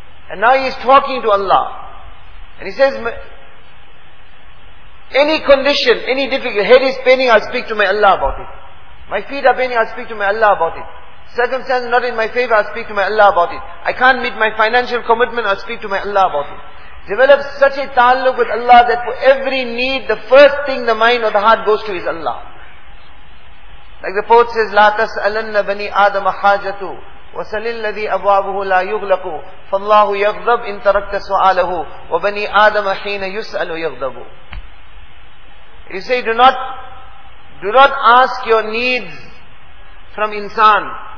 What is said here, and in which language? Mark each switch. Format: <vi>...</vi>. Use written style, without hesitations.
<en>And now he is talking to Allah. And he says, any condition, any difficulty, head is paining, I'll speak to my Allah about it. My feet are paining, I'll speak to my Allah about it. Circumstances not in my favor, I'll speak to my Allah about it. I can't meet my financial commitment, I'll speak to my Allah about it. Develop such a ta'alluq with Allah that for every need, the first thing the mind or the heart goes to is Allah. Like the poet says,</en> <ar>لَا تَسْأَلَنَّ بَنِي آدَمَ حَاجَتُ وَسَلِ الَّذِي أَبْوَابُهُ لَا يُغْلَقُ فَاللَّهُ يَغْضَبْ إِن تَرَكْتَ سُؤَالَهُ وَبَنِي آدَمَ حِينَ يُسْأَلُ يَغْضَبُ.</ar> <en>You say, do not ask your needs from insan.</en>